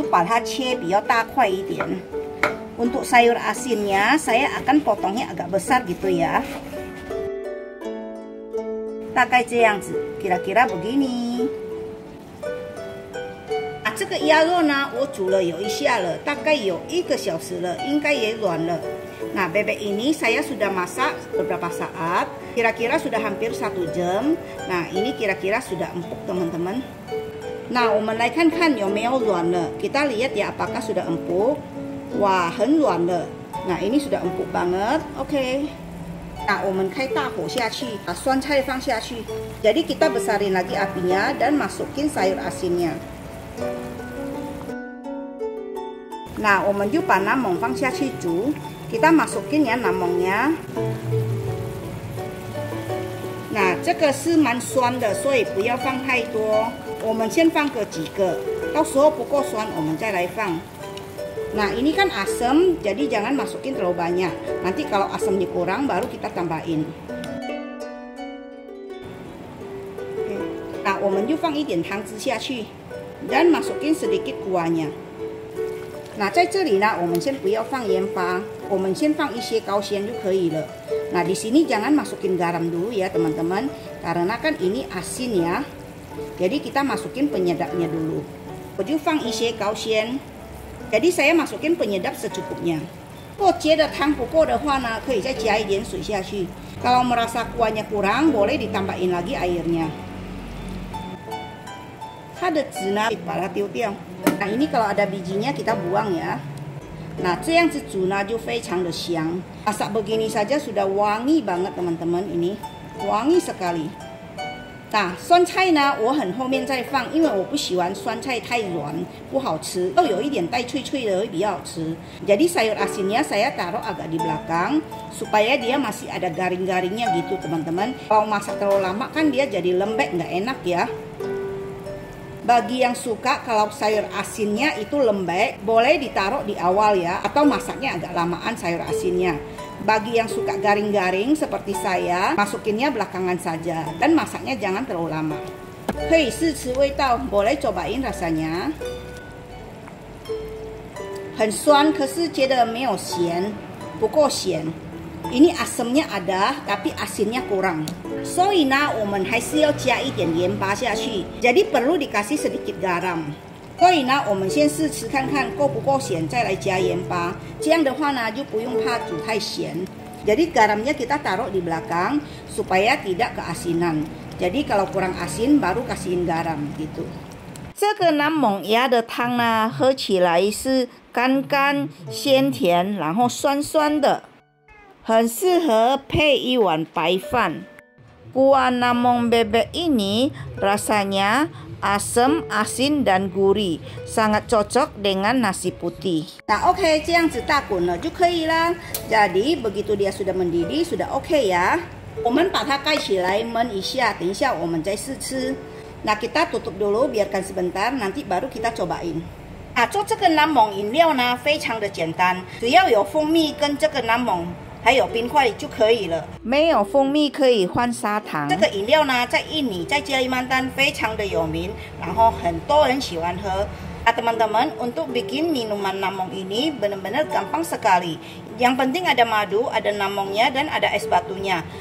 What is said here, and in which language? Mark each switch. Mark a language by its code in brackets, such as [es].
[zh] Cabai呢，我就把它切比较大块一点。 [id] Untuk sayur asinnya, saya akan potongnya agak besar gitu ya. Takai ceyangzi, kira-kira begini. [zh] Nah, 这个鸭肉呢，我煮了有一下了，大概有一个小时了，应该也软了。 [id] Nah, bebek ini saya sudah masak beberapa saat, kira-kira sudah hampir satu jam. Nah, ini kira-kira sudah empuk, teman-teman. [zh] Nah, 我们来看看有没有软了。 [id] Kita lihat ya, apakah sudah empuk. Wah, [zh] 很软的. [id] Nah, ini sudah empuk banget. Oke. [zh] Nah, 我们开大火下去, 把酸菜放下去. [id] Jadi kita besarin lagi apinya dan masukin sayur asinnya. [zh] Nah, 我们就把南蒙放下去煮. [id] Kita masukin ya namongnya. [zh] Nah, 这个是蛮酸的, 所以不要放太多. 我们先放个几个，到时候不够酸我们再来放。 [id] Nah ini kan asam, jadi jangan masukin terlalu banyak. Nanti kalau asamnya kurang baru kita tambahin. [zh] Nah, 我们就放一点汤汁下去 [id] dan masukin sedikit kuahnya. [zh] Nah, 在这里呢我们先不要放盐巴，我们先放一些高纤就可以了。 [id] Nah, di sini jangan masukin garam dulu ya teman-teman, karena kan ini asin ya. Jadi kita masukin penyedapnya dulu. [zh] 我就放一些高纤， [id] jadi saya masukin penyedap secukupnya. [zh] 如果觉得汤不够的话呢，可以再加一点水下去。 [id] Kalau merasa kuahnya kurang, boleh ditambahin lagi airnya. [zh] 它的籽呢，把它丢掉。 [id] Nah, ini kalau ada bijinya kita buang ya. [zh] Nah, 这样子煮呢就非常的香。 [id] Masak begini saja sudah wangi banget teman-teman ini, wangi sekali. Nah, 酸菜呢我很后面再放，因为我不喜欢酸菜太软，不好吃，都有一点带脆脆的会比较好吃。 Jadi sayur asinnya saya taruh agak di belakang supaya dia masih ada garing-garingnya gitu teman-teman. Kalau masak terlalu lama kan dia jadi lembek nggak enak ya. Bagi yang suka kalau sayur asinnya itu lembek, boleh ditaruh di awal ya, atau masaknya agak lamaan sayur asinnya. Bagi yang suka garing-garing seperti saya, masukinnya belakangan saja dan masaknya jangan terlalu lama. Hei, sisi wetau, boleh cobain rasanya. [zh] 很酸，可是觉得没有咸，不够咸。 [id] Ini asamnya ada, tapi asinnya kurang. [zh] So ina, 我们还是要加一点盐巴下去。 [id] Jadi perlu dikasih sedikit garam. [zh] So ina, 我们先试吃看看够不够咸，再来加盐巴。这样的话呢，就不用怕煮太咸。 [id] Jadi garamnya kita taruh di belakang supaya tidak keasinan. Jadi kalau kurang asin, baru kasihin garam gitu. [zh] 这个南蒙牙的汤呢，喝起来是干干鲜甜，然后酸酸的。很适合配一碗白饭。 [id] Kuah namong bebek ini rasanya asam, asin dan gurih, sangat cocok dengan nasi putih. [zh] Nah, oke, okay, 这样子大滚了就可以了。 [id] Jadi begitu dia sudah mendidih sudah oke ya. [zh] 我们把它盖起来焖一下，等一下我们再试吃。 [id] Nah, kita tutup dulu, biarkan sebentar, nanti baru kita cobain. [zh] 啊，做这个南蒙饮料呢，非常的简单，只要有蜂蜜跟这个南蒙。还有冰块就可以了，没有蜂蜜可以换砂糖。这个饮料呢，在印尼在加里曼丹非常的有名，然后很多人喜欢喝。 [id] 啊，teman-teman, untuk bikin minuman namong ini benar-benar gampang sekali. Yang penting ada madu, ada namongnya dan ada es batunya.